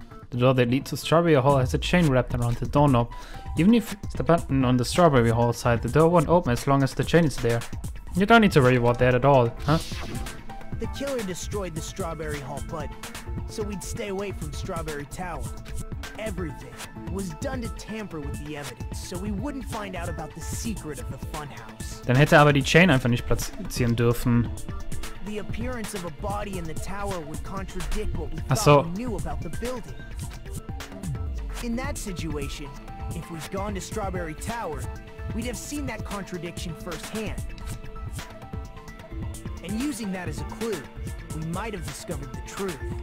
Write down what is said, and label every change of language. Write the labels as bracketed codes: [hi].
[en] The door that leads to Strawberry Hall has a chain wrapped around the doorknob. Even if the button on the Strawberry Hall side, the door won't open as long as the chain is there. You don't need to worry about that at all, huh? The killer destroyed the Strawberry Hall button, so we'd stay away from Strawberry Tower. Everything was done to tamper with the evidence, so we wouldn't find out about the secret of the funhouse. [de] Dann hätte aber die Chain einfach nicht platzieren dürfen. [en] The appearance of a body in the tower would contradict what we thought we knew about the building. In that situation, if we'd gone to Strawberry Tower, we'd have seen that contradiction firsthand. And using that as a clue, we might have discovered the truth.